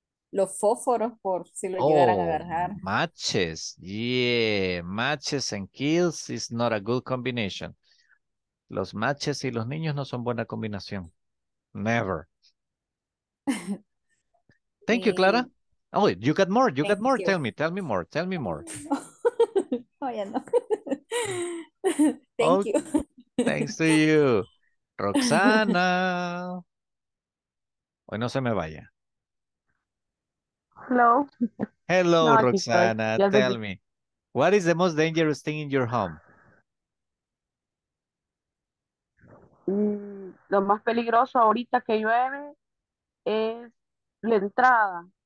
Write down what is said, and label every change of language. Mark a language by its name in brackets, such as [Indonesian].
[Spanish] Los fósforos, por si lo llegaran a agarrar. [English] Matches, yeah. Matches and kills is not a good combination. [Spanish] Los matches y los niños no son buena combinación. [English] Never. Thank you, Clara. Oh, you got more. You got more. Tell me more. Tell me more. Thank you. Thanks to you. Roxana. [Spanish] Hoy no se me vaya. [English] Hello. Hello, no, Roxana. Tell me. What is the most dangerous thing in your home? [Spanish] Lo más peligroso ahorita que llueve es la entrada.